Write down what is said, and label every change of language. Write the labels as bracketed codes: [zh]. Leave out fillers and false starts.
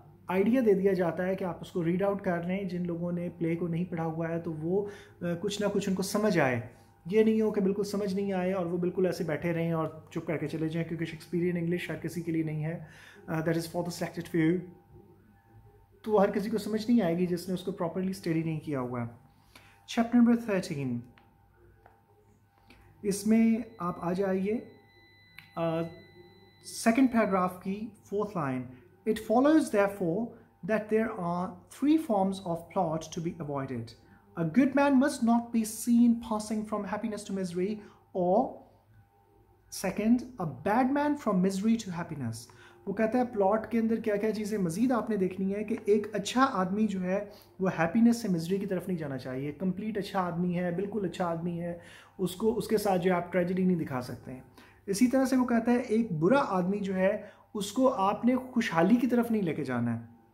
[hi] Idea दे दिया जाता है कि आप उसको रीड आउट कर रहे हैं, जिन लोगों ने प्ले को नहीं पढ़ा हुआ है तो वो कुछ ना कुछ उनको समझ आए, ये नहीं हो कि बिल्कुल समझ नहीं आए और वो बिल्कुल ऐसे बैठे रहें और चुप करके चले जाएं, क्योंकि शेक्सपियरियन इंग्लिश हर किसी के लिए नहीं है, [en] that is for the selected few, [hi] तो हर किसी को समझ नहीं आएगी जिसने उसको प्रॉपरली स्टडी नहीं किया हुआ है। चैप्टर नंबर 13 इसमें आप आ जाइए सेकेंड पैराग्राफ की fourth line. [en] It follows, therefore, that there are three forms of plot to be avoided. A good man must not be seen passing from happiness to misery, or second, a bad man from misery to happiness. [hi] वो कहता है plot के अंदर क्या क्या चीज़ें मज़ीद आपने देखनी है कि एक अच्छा आदमी जो है वो हैप्पीनेस से मिजरी की तरफ नहीं जाना चाहिए, कंप्लीट अच्छा आदमी है, बिल्कुल अच्छा आदमी है, उसको उसके साथ जो है आप ट्रेजेडी नहीं दिखा सकते हैं। इसी तरह से वो कहता है एक बुरा आदमी जो है उसको आपने खुशहाली की तरफ नहीं लेके जाना है.